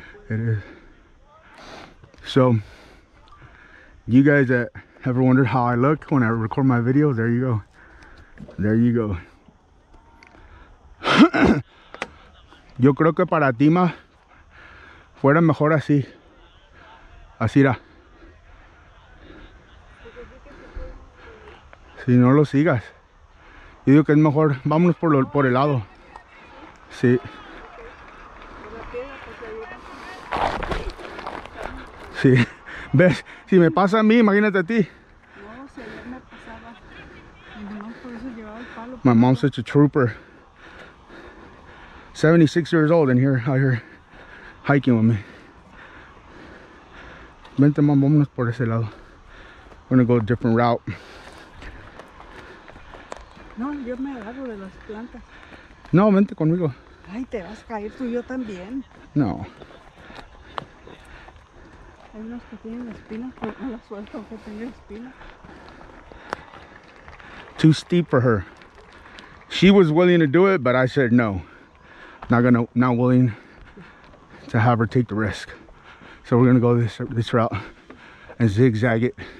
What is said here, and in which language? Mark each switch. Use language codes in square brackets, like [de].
[en] It is. So, you guys that ever wondered how I look when I record my video, there you go. There you go. [es] Yo creo que para ti más fuera mejor así. Así era. Si no lo sigas. Yo digo que es mejor, vámonos por el lado. Sí. Sí. ¿Ves? Si me pasa a mí, imagínate a ti. No, si ayer me pasaba. No, por eso llevaba el palo. [en] My mom's such a trooper. 76 years old and here, out here hiking with me. [es] Vente, mom, vámonos por ese lado. [en] We're gonna go a different route. [es] No, yo me agarro de las plantas. No, vente conmigo. Ay, te vas a caer tú y yo también. No. Hay unos que tienen espinas, pero no las suelto aunque tenga espinas. [en] Too steep for her. She was willing to do it, but I said no. Not willing to have her take the risk. So we're gonna go this route and zigzag it.